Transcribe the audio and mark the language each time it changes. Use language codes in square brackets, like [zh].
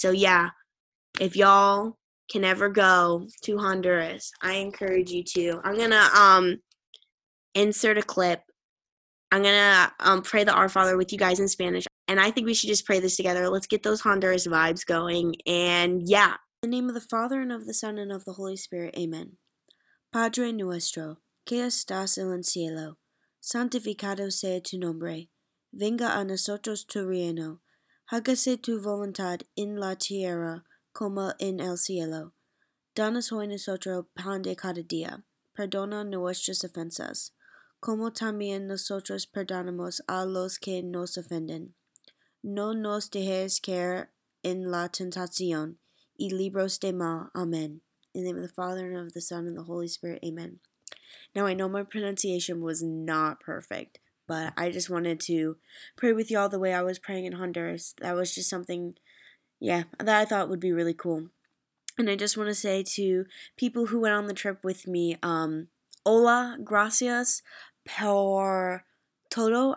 [en] So yeah, if y'all can ever go to Honduras, I encourage you to. I'm gonna insert a clip. I'm gonna pray the Our Father with you guys in Spanish, and I think we should just pray this together. Let's get those Honduras vibes going. And yeah, in the name of the Father and of the Son and of the Holy Spirit, amen. [es] Padre nuestro, que estás en el cielo, santificado sea tu nombre. Venga a nosotros tu reino, hágase tu voluntad en la tierra como en el cielo. Danos hoy nuestro pan de cada día, perdona nuestras ofensas, como también nosotros perdonamos a los que nos ofenden. No nos dejes caer en la tentación, y libros de mal. Amen. [en] In the name of the Father, and of the Son, and of the Holy Spirit. Amen. Now I know my pronunciation was not perfect, but I just wanted to pray with y'all the way I was praying in Honduras. That was just something, yeah, that I thought would be really cool. And I just want to say to people who went on the trip with me, [es] hola, gracias por todo.